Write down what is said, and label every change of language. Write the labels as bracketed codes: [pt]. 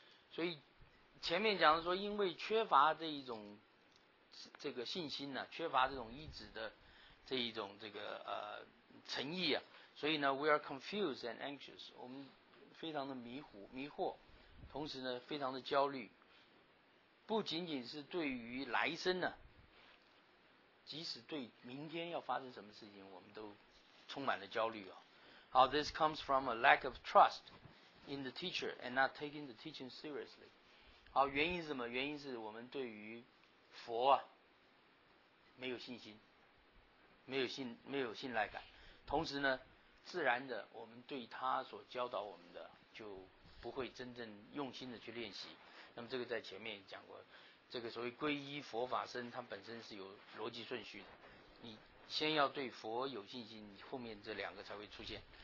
[zh] 所以前面讲的说，因为缺乏这一种这个信心呢、啊、缺乏这种依止的这一种这个诚意啊，所以呢 ， [en] we are confused and anxious， [zh] 我们非常的迷惑，同时呢，非常的焦虑。不仅仅是对于来生呢、啊，即使对明天要发生什么事情，我们都充满了焦虑啊。 [en] 好 ，this comes from a lack of trust in the teacher and not taking the teaching seriously。 [zh] 好，原因是什么？原因是我们对于佛啊没有信心。没有信赖感，同时呢，自然的我们对他所教导我们的就不会真正用心的去练习。那么这个在前面讲过，这个所谓皈依佛法身，它本身是有逻辑顺序的，你先要对佛有信心，你后面这两个才会出现。